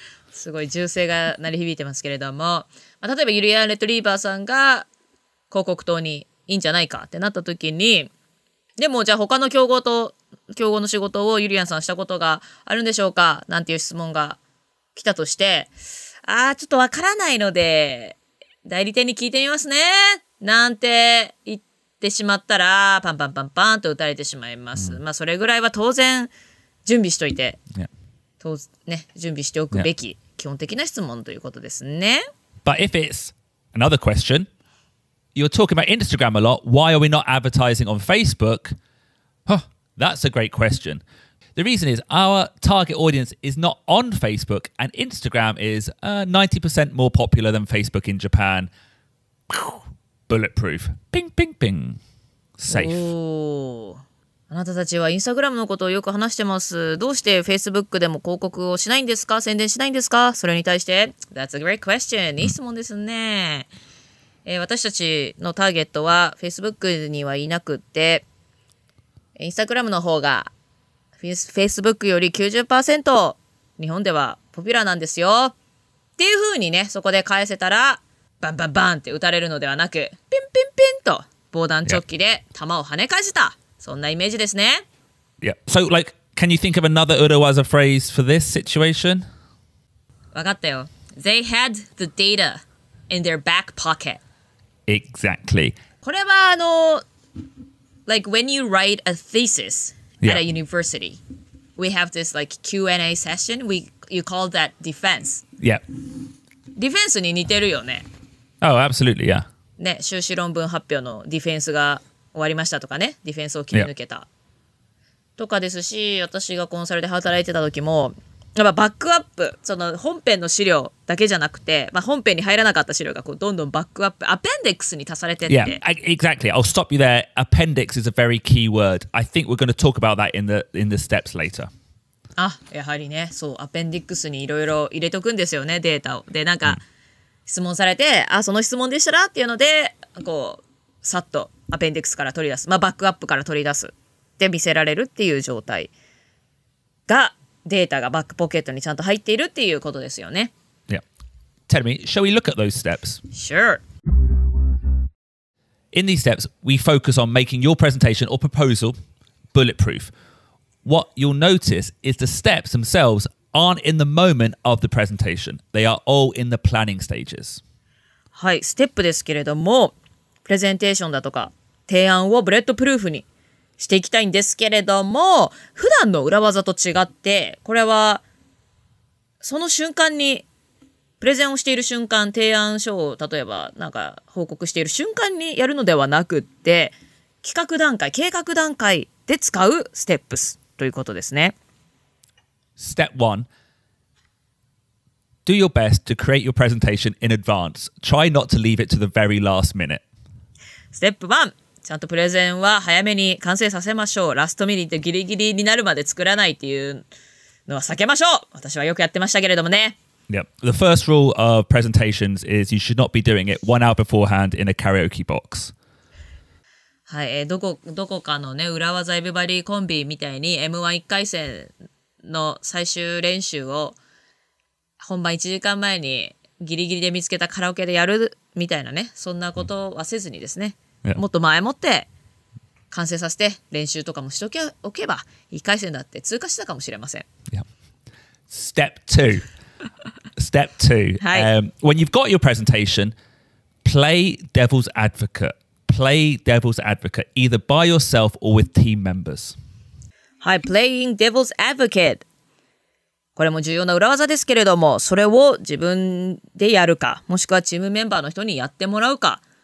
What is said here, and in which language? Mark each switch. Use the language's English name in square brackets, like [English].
[Japanese] すごい銃声が鳴り響いてますけれども、まあ、例えばユリアン・レトリーバーさんが広告塔にいいんじゃないかってなった時に、でもじゃあ他の競合と競合の仕事をユリアンさんしたことがあるんでしょうかなんていう質問が来たとして、あーちょっとわからないので代理店に聞いてみますねなんて言ってしまったらパンパンパンパンと打たれてしまいます。まあそれぐらいは当然準備しといて、ね、準備しておくべき基本的な質問ということですね。 [English] But if it's another question, you're talking about Instagram a lot. Why are we not advertising on Facebook? Huh, That's a great question. The reason is our target audience is not on Facebook, and Instagram is 90% more popular than Facebook in Japan. Bulletproof. Ping, ping, ping. Safe. [Japanese] あなたたちはインスタグラムのことをよく話してます。どうして Facebook でも広告をしないんですか？宣伝しないんですか？それに対して、 [English] That's a great question. [Japanese] いい質問ですね。私たちのターゲットは Facebook にはいなくって、インスタグラムの方が Facebook より 90% 日本ではポピュラーなんですよ。っていう風にね、そこで返せたら、バンバンバンって打たれるのではなく、ピンピンピンと防弾チョッキで弾を跳ね返せた。そんなイメージですね。 [English] Yeah. So, like, can you think of another 裏技 phrase for this situation? [Japanese] わかったよ。 [English] They had the data in their back pocket. Exactly. [Japanese] これはあの、 [English] like, when you write a thesis at a university, we have this, like, Q&A session. You call that defense. Yeah. [Japanese] Defense に似てるよね。 [English] Oh, absolutely, yeah. [Japanese] ね、修士論文発表のディフェンスが終わりましたとかね、ディフェンスを切り抜けた、とかですし、私がコンサルで働いてた時も、やっぱバックアップ、その本編の資料だけじゃなくて、まあ、本編に入らなかった資料がこうどんどんバックアップ、アペンデックスに足されてって。 [English] Yeah, exactly. I'll stop you there. Appendix is a very key word. I think we're going to talk about that in the steps later. [Japanese] あ、やはりね、そう、アペンデックスにいろいろ入れとくんですよね、データを。で、なんか、質問されて、あ、その質問でしたらっていうので、こう、さっと、アペンデックスから取り出す、まあ、バックアップから取り出すって見せられるっていう状態がデータがバックポケットにちゃんと入っているっていうことですよね。 [English] Yeah. Tell me, shall we look at those steps? Sure. In these steps, we focus on making your presentation or proposal bulletproof. What you'll notice is the steps themselves aren't in the moment of the presentation. They are all in the planning stages. [Japanese] はい、ステップですけれどもプレゼンテーションだとか提案をブレッドプルーフにしていきたいんですけれども普段の裏技と違ってこれはその瞬間にプレゼンをしている瞬間提案書を例えばなんか報告している瞬間にやるのではなくって企画段階計画段階で使うステップスということですね。 [English] Step 1 Do your best to create your presentation in advance. Try not to leave it to the very last minute [Japanese] ステップ1ちゃんとプレゼンは早めに完成させましょう。ラストミニットギリギリになるまで作らないっていうのは避けましょう。私はよくやってましたけれどもね。 [English] Yep. The first rule of presentations is you should not be doing it one hour beforehand in a karaoke box. [Japanese] はい、どこかのね、裏技エビバリーコンビみたいに M1 回戦の最終練習を本番1時間前にギリギリで見つけたカラオケでやるみたいなね、そんなことはせずにですね、もっと前もって完成させて練習とかもしておけば1回戦だって通過したかもしれません。 [English] Step 2 Step 2 When you've got your presentation, play devil's advocate. Play devil's advocate either by yourself or with team members. [Japanese] はい、 playing devil's advocate、これも重要な裏技ですけれども、それを自分でやるか、もしくはチームメンバーの人にやってもらうか。